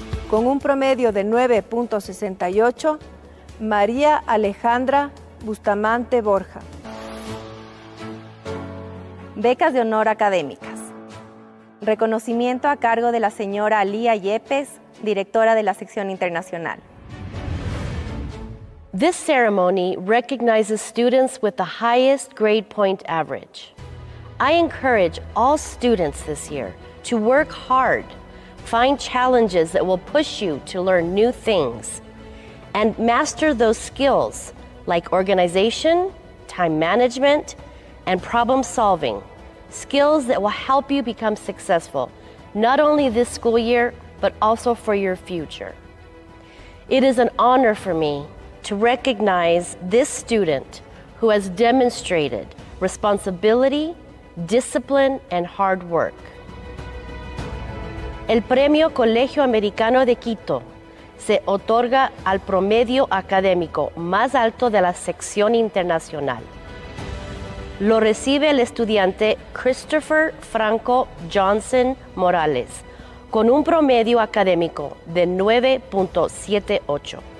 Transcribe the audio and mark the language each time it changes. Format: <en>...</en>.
<es>Con un promedio de 9.68, María Alejandra Bustamante Borja. Becas de honor académicas. Reconocimiento a cargo de la señora Alía Yepes, directora de la sección internacional.</es> <en>This ceremony recognizes students with the highest grade point average. I encourage all students this year to work hard, find challenges that will push you to learn new things, and master those skills like organization, time management, and problem solving. Skills that will help you become successful, not only this school year, but also for your future. It is an honor for me to recognize this student who has demonstrated responsibility, discipline, and hard work.</en> <es>El Premio Colegio Americano de Quito se otorga al promedio académico más alto de la sección internacional. Lo recibe el estudiante Christopher Franco Johnson Morales, con un promedio académico de 9.78.</es>